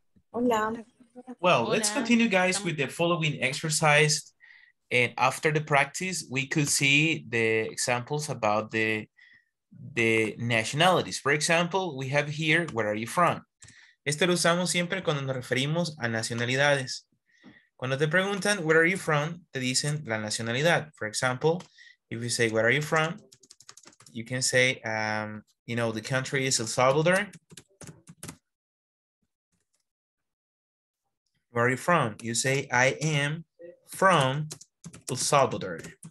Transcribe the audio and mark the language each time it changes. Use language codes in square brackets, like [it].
[es] Hola. [en] Well, hola. Let's continue, guys, with the following exercise. And after the practice, we could see the examples about the nationalities. For example, we have here, where are you from? [es] Este lo usamos siempre cuando nos referimos a nacionalidades. Cuando te preguntan, [en] where are you from? [es] Te dicen la nacionalidad. [en] For example, if you say, where are you from? You can say, you know, the country is El Salvador. Where are you from? You say, I am from El Salvador.